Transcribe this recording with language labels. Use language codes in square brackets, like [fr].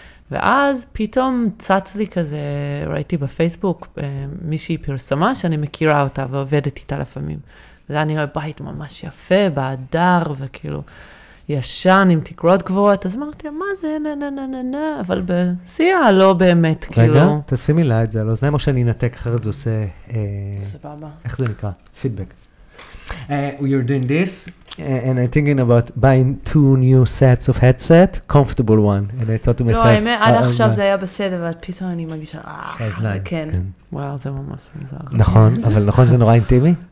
[he] ואז פתאום צץ לי כזה, ראיתי בפייסבוק מישהי פרסמה שאני מכירה אותה ועובדת איתה לפעמים. וזה היה נראה בית ממש יפה, באדר, וכאילו ישן עם תקרות גבוהות, אז אמרתי, מה זה, נה, נה, נה, נה, נה, אבל בשיאה לא באמת, רגע, כאילו. רגע, תשימי לה את זה על אוזניים, או שאני אנתק אחרת זה עושה... סבבה. איך זה נקרא? פידבק. [en] You're doing this, and I'm thinking about buying two new sets of headset, comfortable one, and I thought to myself... [he] לא, האמת, עד עכשיו זה היה בסדר, אבל פתאום אני מגישה, כן. וואו, זה ממש מזר. נכון, אבל נכון זה נורא אינטימי?